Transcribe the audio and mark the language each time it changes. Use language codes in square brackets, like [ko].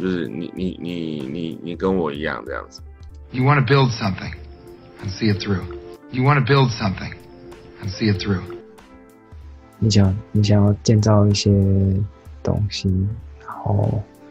[zh] 就是你跟我一样这样子。 [en] You want to build something and see it through. You want to build something and see it through. [zh] 你想要建造一些东西，然后。